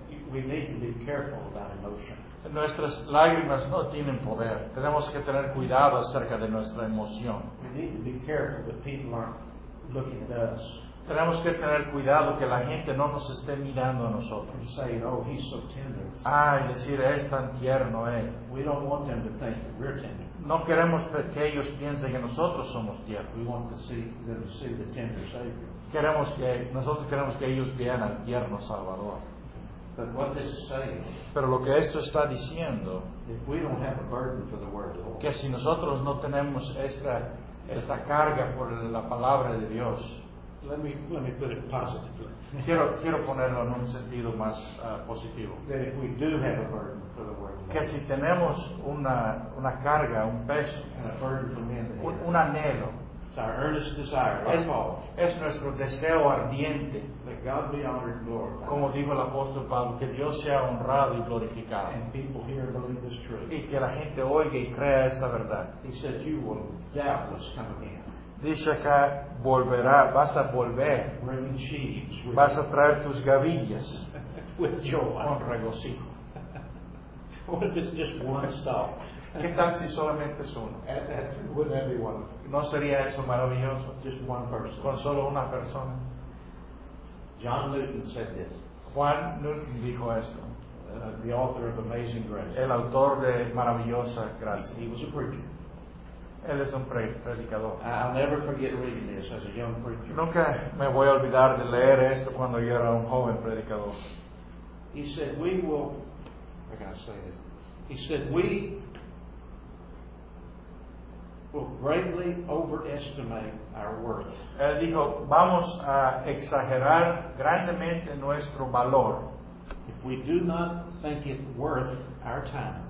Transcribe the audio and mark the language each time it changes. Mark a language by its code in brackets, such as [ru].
[en] We need to be careful about emotion. [es] Nuestras lágrimas no tienen poder. Tenemos que tener cuidado acerca de nuestra emoción. [en] We need to be careful that people aren't looking at us. [es] Tenemos que tener cuidado que la gente no nos esté mirando a nosotros. [en] And saying, oh, he's so tender. [es] Ah, y decir, es tan tierno él. [en] We don't want them to think that we're tender. [es] No queremos que ellos piensen que nosotros somos tiernos. [en] We want to see them see the tender Savior. [es] Nosotros queremos que ellos vean al tierno Salvador. [en] But what this is saying, [es] pero lo que esto está diciendo, [en] if we don't have a burden for the word, [es] que si nosotros no tenemos esta carga por la palabra de Dios, [en] let me put it positively. [es] quiero ponerlo en un sentido más positivo. [en] That if we do have a burden for the word, [es] que si tenemos una carga, un peso, [en] and a burden for men, [es] un anhelo. [en] It's our earnest desire, like Paul. [es] Es nuestro deseo ardiente. [en] Let God be honored and glorified. [es] Como dijo el apóstol Pablo, que Dios sea honrado y glorificado. [en] And people hear and believe this truth. [es] Y que la gente oiga y crea esta verdad. [en] He said, you will doubtless come again. [es] Dice acá, volverá, vas a volver. [en] Bringing sheaves. [es] Vas a traer tus gavillas. [en] With joy. [es] Con regocijo. [en] What if it's just one stop? [es] ¿Qué tal si solamente es uno? [en] Would that be wonderful? [es] ¿No sería eso maravilloso? [en] Just one person. [es] Con solo una persona. [en] John Newton said this. [es] Juan Newton dijo esto. [en] The author of Amazing Grace. [es] El autor de Maravillosa Gracia. [en] He was a preacher. [es] Él es un predicador. [en] I'll never forget reading this as a young preacher. [es] Nunca me voy a olvidar de leer esto cuando yo era un joven predicador. [en] He said, we will... I gotta say this. He said, we will greatly overestimate our worth. [es] Él dijo, vamos a exagerar grandemente nuestro valor. [en] If we do not think it worth our time.